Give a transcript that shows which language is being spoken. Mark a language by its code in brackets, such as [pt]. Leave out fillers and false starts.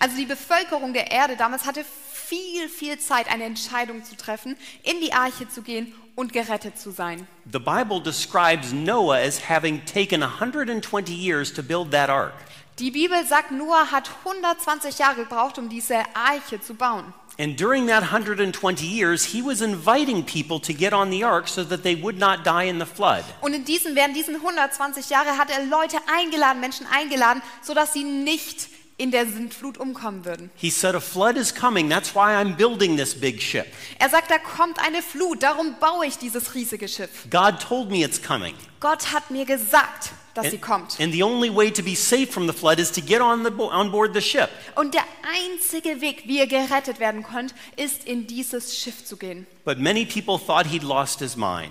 [de] Also die Bevölkerung der Erde damals hatte viel Zeit, eine Entscheidung zu treffen, in die Arche zu gehen und gerettet zu sein. [en] The Bible describes Noah as having taken 120 years to build that ark. [de] Die Bibel sagt, Noah hat 120 Jahre gebraucht, um diese Arche zu bauen. [en] And during that 120 years, he was inviting people to get on the ark so that they would not die in the flood. [de] Und während diesen 120 Jahre hat Leute eingeladen, Menschen eingeladen, so dass sie nicht in der Sintflut umkommen würden. [en] He said, a flood is coming, that's why I'm building this big ship. [de] Er sagt, da kommt eine Flut, darum baue ich dieses riesige Schiff. [en] God told me it's coming. [de] Gott hat mir gesagt, dass sie kommt. [en] And the only way to be safe from the flood is to get on board the ship. [de] Und der einzige Weg, wie ihr gerettet werden könnt, ist in dieses Schiff zu gehen. [en] But many people thought he'd lost his mind.